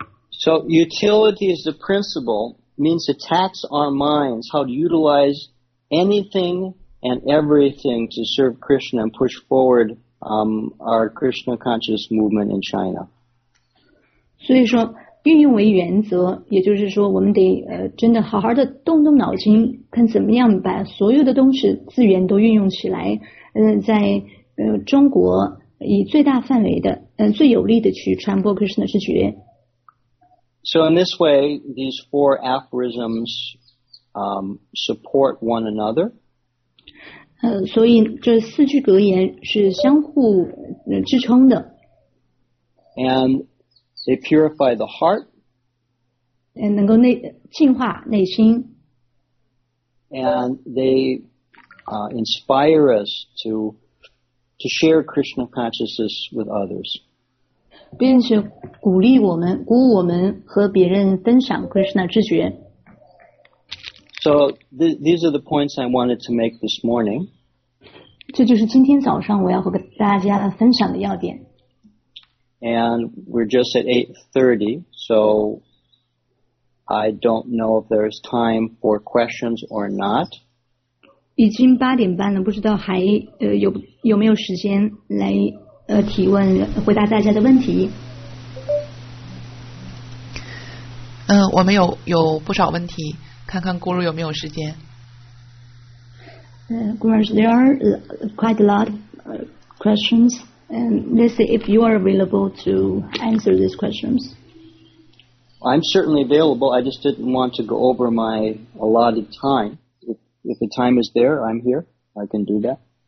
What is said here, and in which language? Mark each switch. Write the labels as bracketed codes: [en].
[en] So utility is the principle, means to tax our minds, how to utilize anything and everything to serve Krishna and push forward our Krishna conscious movement in China. [zh] 所以说运用为原则也就是说我们得真的好好的动动脑筋看怎么样把所有的东西资源都运用起来在中国以最大范围的最有力的去传播 Krishna 之觉。 [en] So in this way, these four aphorisms support one another. [zh] 所以这四句格言是相互支撑的。 [en] And they purify the heart. [zh] 能够净化内心。 [en] And they inspire us to share Krishna consciousness with others. [zh] 并且鼓励我们鼓舞我们和别人分享 Krishna 之觉 [en] So these are the points I wanted to make this morning [zh] 这就是今天早上我要和大家分享的要点 [en] And we're just at 8:30 So I don't know if there's time for questions or not [zh] 已经八点半了不知道还有没有时间来提问回答大家的问题我们有不少问题看看咕噜有没有时间 [en] Gurus, there are quite a lot of questions and let's see if you are available to answer these questions I'm certainly available I just didn't want to go over my allotted time if the time is there I'm here I can do that